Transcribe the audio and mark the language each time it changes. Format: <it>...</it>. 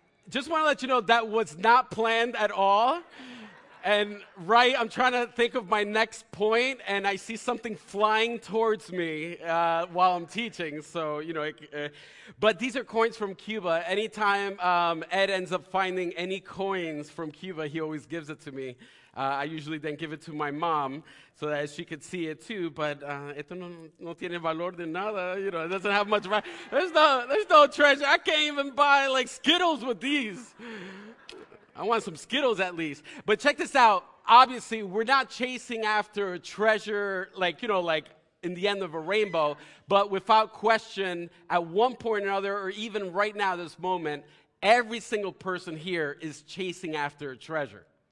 <en>Just want to let you know that was not planned at all. And right, I'm trying to think of my next point, and I see something flying towards me while I'm teaching. So, but these are coins from Cuba. Anytime Ed ends up finding any coins from Cuba, he always gives it to me. I usually then give it to my mom so that she could see it too.</en> <es>But esto no tiene valor de nada.</es> <en>It doesn't have much value. There's no treasure. I can't even buy like Skittles with these. I want some Skittles at least. But check this out. Obviously, we're not chasing after a treasure like in the end of a rainbow. But without question, at one point or another, or even right now, this moment, every single person here is chasing after a treasure.</en>